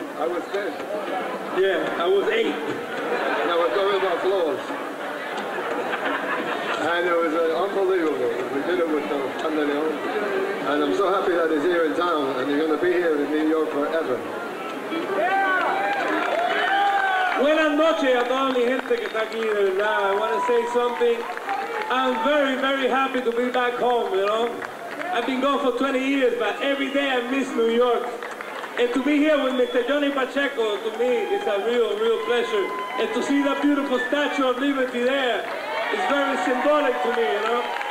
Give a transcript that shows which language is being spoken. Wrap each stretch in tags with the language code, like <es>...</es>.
<en>I was 10. Yeah, I was 8. And I was talking about floors. And it was unbelievable. We did it with Canta Hector. And I'm so happy that he's here in town, and you're going to be here in New York forever.</en> <es>Buenas noches a toda mi gente que está aquí, de verdad.</es> <en>I want to say something. I'm very, very happy to be back home, you know. I've been gone for 20 years, but every day I miss New York. And to be here with Mr. Johnny Pacheco, to me, it's a real, real pleasure. And to see that beautiful Statue of Liberty there, it's very symbolic to me, you know.</en>